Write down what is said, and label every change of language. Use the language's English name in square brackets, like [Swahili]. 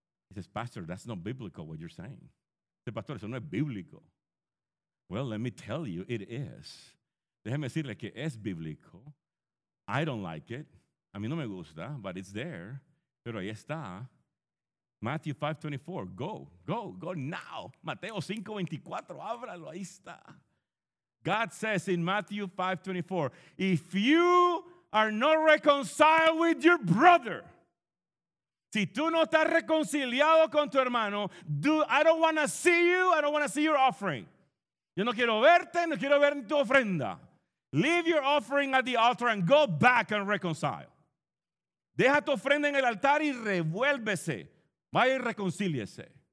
[English] He says, Pastor, that's not biblical what you're saying. [Spanish] Dice, Pastor, eso no es bíblico. [English] Well, let me tell you, it is. [Spanish] Déjeme decirle que es bíblico. [English] I don't like it. [Spanish] A mí no me gusta, [English] but it's there. [Spanish] Pero ahí está. [English] Matthew 5:24, go now. [Spanish] Mateo 5:24, ábralo, ahí está. [English] God says in Matthew 5:24, if you are not reconciled with your brother. [Spanish] Si tú no estás reconciliado con tu hermano, [English] I don't want to see you, I don't want to see your offering. [Spanish] Yo no quiero verte, no quiero ver tu ofrenda. [English] Leave your offering at the altar and go back and reconcile. [Spanish] Deja tu ofrenda en el altar y revuélvese. Vaya y reconcíliese.